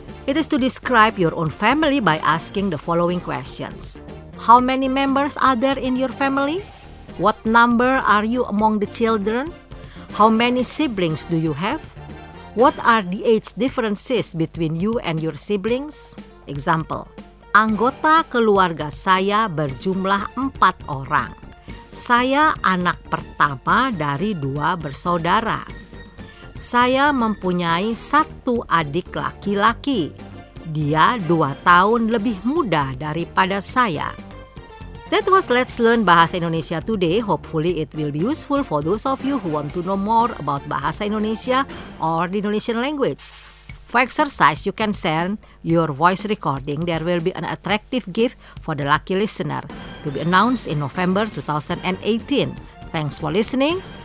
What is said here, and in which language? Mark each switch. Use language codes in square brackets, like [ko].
[en] It is to describe your own family by asking the following questions. How many members are there in your family? What number are you among the children? How many siblings do you have? What are the age differences between you and your siblings? Example. [id] Anggota keluarga saya berjumlah 4 orang. Saya anak pertama dari 2 bersaudara. Saya mempunyai 1 adik laki-laki. Dia 2 tahun lebih muda daripada saya. [en] That was Let's Learn Bahasa Indonesia Today. Hopefully it will be useful for those of you who want to know more about Bahasa Indonesia or the Indonesian language. For exercise, you can send your voice recording. There will be an attractive gift for the lucky listener to be announced in November 2018. Thanks for listening.